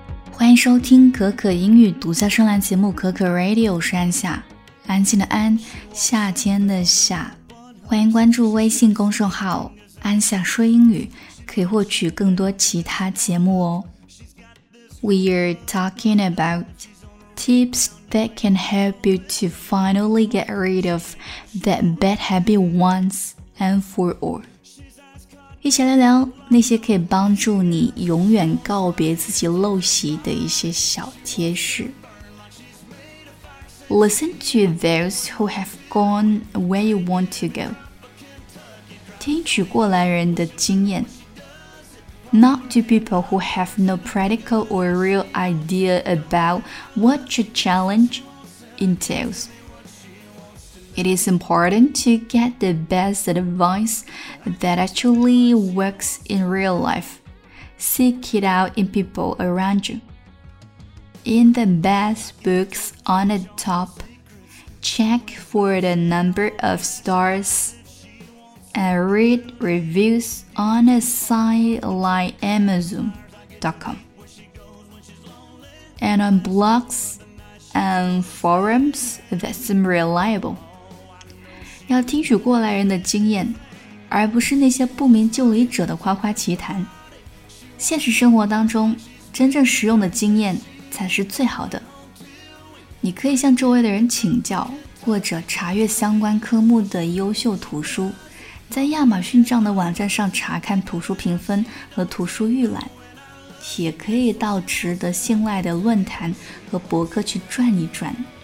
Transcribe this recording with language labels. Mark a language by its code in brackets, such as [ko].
[zh] 欢迎收听可可英语独家专栏节目可可 Radio， 是安夏，安静的安，夏天的夏。欢迎关注微信公众号安夏说英语，可以获取更多其他节目哦。 [en] We are talking about tips that can help you to finally get rid of that bad habit once and for all。 [zh] 一起聊聊那些可以帮助你永远告别自己陋习的一些小贴士。 [en] Listen to those who have gone where you want to go. [zh] 听取过来人的经验。 [en] Not to people who have no practical or real idea about what your challenge entails. It is important to get the best advice that actually works in real life. Seek it out in people around you. In the best books on the top, check for the number of stars and read reviews on a site like Amazon.com. And on blogs and forums that seem reliable. [zh] 要听取过来人的经验，而不是那些不明就里者的夸夸其谈。现实生活当中，真正实用的经验才是最好的。你可以向周围的人请教，或者查阅相关科目的优秀图书，在亚马逊这样的网站上查看图书评分和图书预览，也可以到值得信赖的论坛和博客去转一转。